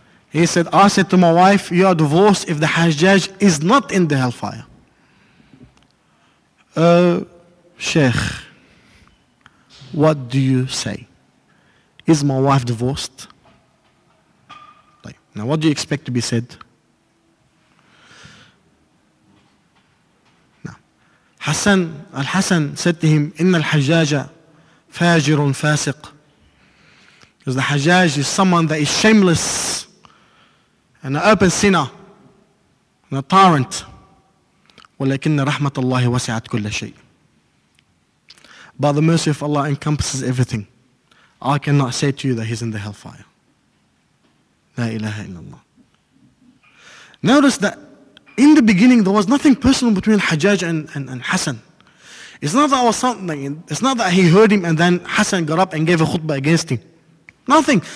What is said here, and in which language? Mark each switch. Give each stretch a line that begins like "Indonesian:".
English: He said, I said to my wife, you are divorced if the Hajjaj is not in the hellfire. Oh, Sheikh, What do you say? Is my wife divorced? طيب. Now what do you expect to be said?
Arabic: حسن الحسن
English: said to him,
Arabic: إن الحجاج فاجر فاسق.
English: Because the Hajjaj is someone that is shameless and an open sinner and a tyrant.
Arabic: ولكن رحمة الله وسعت كل شيء.
English: But the mercy of Allah encompasses everything. I cannot say to you that he's in the hellfire.
Arabic: لا إله إلا الله.
English: Notice that in the beginning there was nothing personal between Hajjaj and Hassan. It's not that was something. It's not that he heard him and then Hassan got up and gave a khutbah against him. Nothing.